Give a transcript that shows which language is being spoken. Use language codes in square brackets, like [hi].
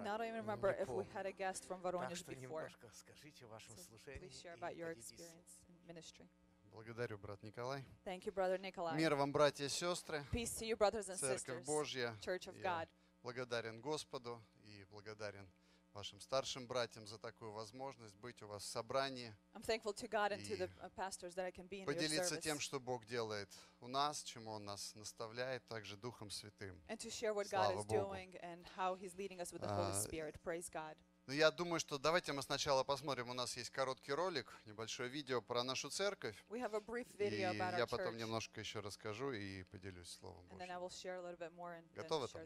[en] And I don't even remember if we had a guest from Воронеж [ru] Так что немножко скажите о вашем служении и поделитесь. Благодарю, брат Николай. [en] Thank you, brother Nikolai. [ru] Мир вам, братья и сестры. [en] Peace to you, brothers and sisters. [ru] Церковь Божья. [en] Church of God. [ru] Благодарен Господу и благодарен вашим старшим братьям за такую возможность быть у вас в собрании. [en] I'm thankful to God and to the pastors that I can be in your service. [ru] Поделиться тем, что Бог делает у нас, чему Он нас наставляет, также Духом Святым. [en] And to share what God is doing and how He's leading us with the Holy Spirit. Praise God. [ru] Ну, я думаю, что давайте мы сначала посмотрим. У нас есть короткий ролик, небольшое видео про нашу церковь. [en] We have a brief video about [ru] И я потом немножко еще расскажу и поделюсь Словом [en] Божьим. And then I will share a little bit more and share